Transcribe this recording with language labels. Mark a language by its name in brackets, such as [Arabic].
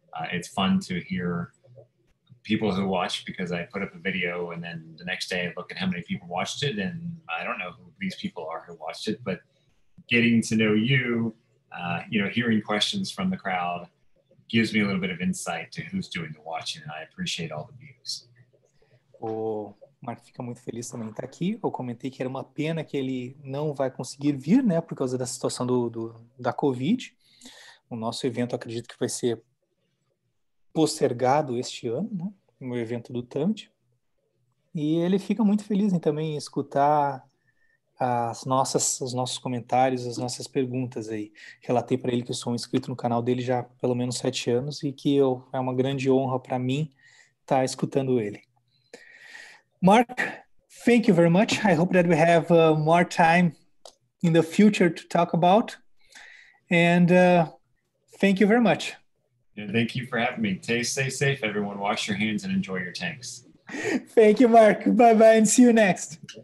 [English] It's fun to hear people who watch, because I put up a video and then the next day I look at how many people watched it, and I don't know who these people are who watched it, but getting to know you, you know, hearing questions from the crowd gives me a little bit of insight to who's doing the watching, and I appreciate all the views. [Portuguese] Oh, Marco fica muito feliz também estar aqui. Eu comentei que era uma pena que ele não vai conseguir vir, né, por causa da situação da Covid. O nosso evento, acredito que vai ser postergado este ano, né, no evento do TAMT. E ele fica muito feliz em também escutar os nossos comentários, as nossas perguntas aí. Relatei para ele que eu sou um inscrito no canal dele já há pelo menos 7 anos e que é uma grande honra para mim estar escutando ele. [English] Mark, thank you very much. I hope that we have more time in the future to talk about. And thank you very much. Yeah, thank you for having me. Stay safe, everyone. Wash your hands and enjoy your tanks. Thank you, Mark. Bye-bye, and see you next.